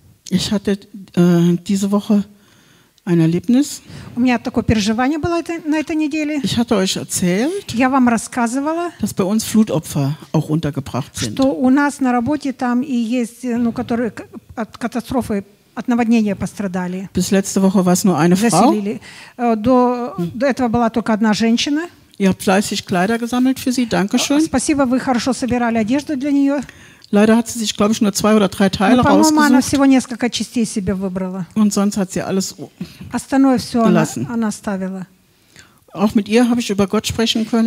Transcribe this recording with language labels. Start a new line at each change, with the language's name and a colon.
German: Ich hatte diese Woche ein Erlebnis.
Russian: У меня такое переживание было на этой неделе.
German: Ich hatte euch erzählt,
Russian: я вам рассказывала,
German: dass bei uns Flutopfer auch untergebracht sind.
Russian: Что у нас на работе там и есть, ну, которые от катастрофы, от наводнения пострадали.
German: Bis letzte Woche war es nur eine
Russian: Заселили.
German: Frau.
Russian: До этого была только одна женщина.
German: Ihr habt fleißig Kleider gesammelt für sie, danke schön.
Russian: Спасибо, вы хорошо собирали одежду для нее.
German: Leider hat sie sich, glaube ich, nur 2 oder 3 Teile rausgesucht.
Russian: По-моему, она всего несколько частей себе выбрала.
German: Und sonst hat sie alles
Russian: остальное все gelassen. Она оставила.
German: Auch mit ihr habe ich über Gott sprechen können.